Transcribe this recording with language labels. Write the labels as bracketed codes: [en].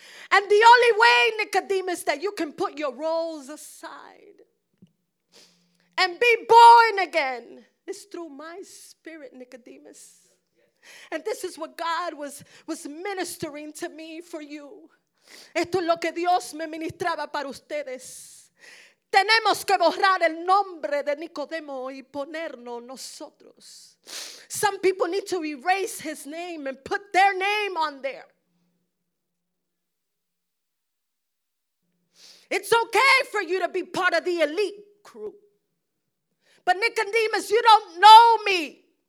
[en] And the only way, Nicodemus, that you can put your roles aside and be born again, it's through my spirit, Nicodemus. And this is what God was ministering to me for you. [es] Esto es lo que Dios me ministraba para ustedes. Tenemos que borrar el nombre de Nicodemo y ponernos nosotros. [en] Some people need to erase his name and put their name on there. It's okay for you to be part of the elite group. But Nicodemus, you don't know me.